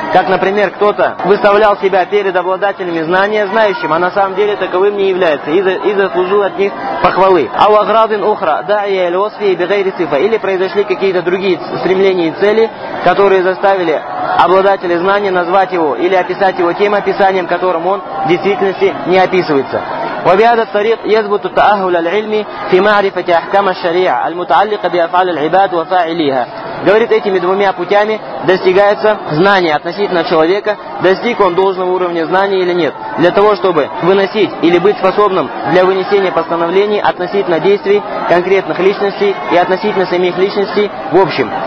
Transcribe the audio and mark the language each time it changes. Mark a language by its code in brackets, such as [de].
[ru] Как, например, кто-то выставлял себя перед обладателями знания знающим, а на самом деле таковым не является, и заслужил от них похвалы. «Ау аграбин ухра даия аль-васфихи». Или произошли какие-то другие стремления и цели, которые заставили обладателя знания назвать его или описать его тем описанием, которым он в действительности не описывается. [ar] وبهذا الطريق يثبت التأهل العلمي في معرفة أحكام الشريعة المتعلقة بأفعال العباد وفاعليها. [ru] Говорит, этими двумя путями достигается знание относительно человека, достиг он должного уровня знания или нет, для того, чтобы выносить или быть способным для вынесения постановлений относительно действий конкретных личностей и относительно самих личностей в общем.